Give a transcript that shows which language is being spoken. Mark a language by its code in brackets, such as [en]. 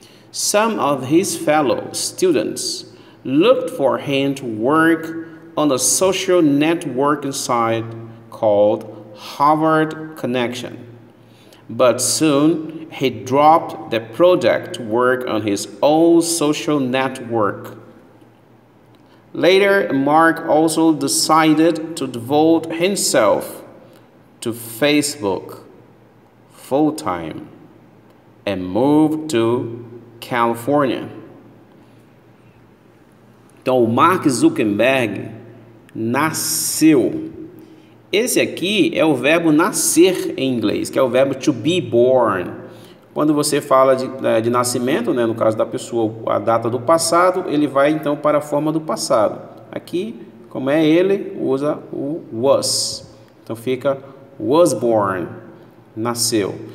[en] Some of his fellow students looked for him to work on a social networking site called Harvard Connection, but soon he dropped the project to work on his own social network. Later, Mark also decided to devote himself to Facebook full-time and moved to California. [pt] Então, Mark Zuckerberg nasceu. Esse aqui é o verbo nascer em inglês, que é o verbo to be born. Quando você fala de nascimento, né, no caso da pessoa, a data do passado, ele vai então para a forma do passado. Aqui, como é ele, usa o was. Então fica was born, nasceu.